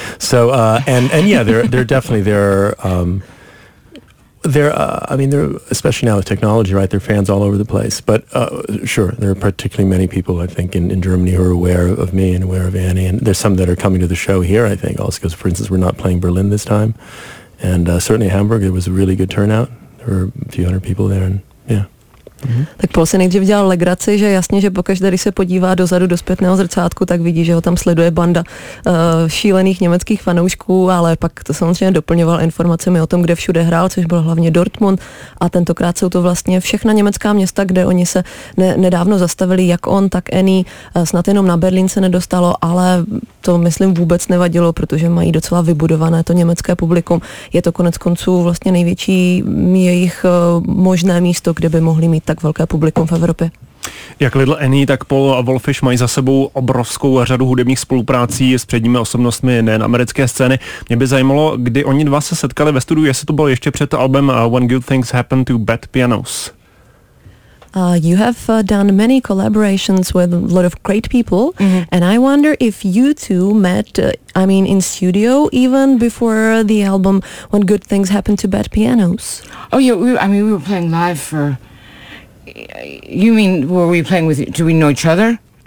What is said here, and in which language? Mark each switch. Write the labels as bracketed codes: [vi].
[en] So they're definitely there, especially now with technology, right? There are fans all over the place. But sure, there are particularly many people, I think, in Germany who are aware of me and aware of Annie. And there's some that are coming to the show here, I think, also because, for instance, we're not playing Berlin this time. And certainly Hamburg, it was a really good turnout. There were a few hundred people there, and yeah. Mm-hmm. [cs] Tak Paul se nejdřív dělal legraci, že jasně, že pokaždé, když se podívá dozadu do zpětného zrcátku, tak vidí, že ho tam sleduje banda šílených německých fanoušků, ale pak to samozřejmě doplňoval informacemi o tom, kde všude hrál, což byl hlavně Dortmund, a tentokrát jsou to vlastně všechna německá města, kde oni se nedávno zastavili, jak on, tak Annie, snad jenom na Berlín se nedostalo, ale to myslím vůbec nevadilo, protože mají docela vybudované to německé publikum. Je to konec konců vlastně největší jejich možné místo, kde by mohli mít tak velké publikum v Evropě. Jak Lil Annie, tak Paul a Wolfish mají za sebou obrovskou řadu hudebních spoluprácí s předními osobnostmi nejen americké scény. Mě by zajímalo, kdy oni dva se setkali ve studiu, jestli to bylo ještě před album When Good Things Happen to Bad Pianos. [en] You have done many collaborations with a lot of great people, and I wonder if you two met, in studio, even before the album When Good Things Happen to Bad Pianos. Oh, yeah, we were playing live for... You mean, were we playing with... Do we know each other?